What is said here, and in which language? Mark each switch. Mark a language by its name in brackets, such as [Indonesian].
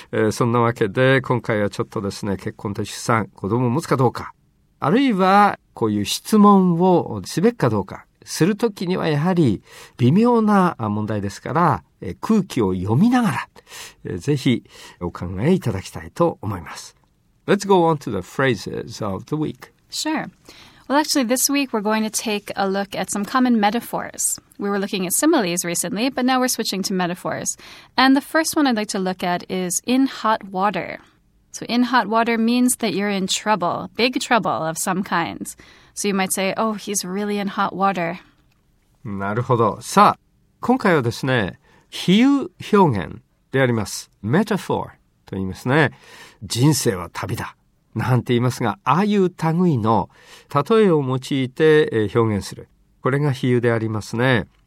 [Japanese] そんなわけで今回はちょっとですね、結婚と出産、子供を持つかどうか、あるいはこういう質問をすべきかどうか、するときにはやはり微妙な問題ですから、空気を読みながら、ぜひお考えいただきたいと思います。 [English] Let's go on to the phrases of the week. Sure. Well, actually, this week we're going to take a look at some common metaphors. We were looking at similes recently, but now we're switching to metaphors. And the first one I'd like to look at is in hot water. So in hot water means that you're in trouble, big trouble of some kind. So you might say, oh, he's really in hot water. [Japanese] なるほど。さあ、今回はですね、比喩表現であります。metaphor と言いますね。人生は旅だなんて言いますが、ああいう類の例えを用いて表現する、これが比喩でありますね。